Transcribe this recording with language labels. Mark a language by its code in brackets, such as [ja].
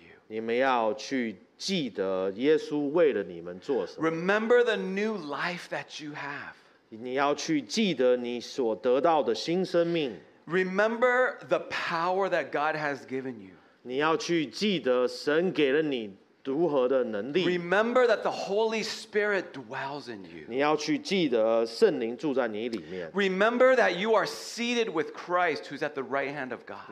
[zh] 你们要去记得耶稣为了你们做什么。 [en] Remember the new life that you have. [zh] 你要去记得你所得到的新生命。 [en] Remember the power that God has given you. [zh] 你要去记得神给了你如何的能力。 [en] Remember that the Holy Spirit dwells in you. [zh] 你要去记得圣灵住在你里面。 [en] Remember that you are seated with Christ who's at the right hand of God.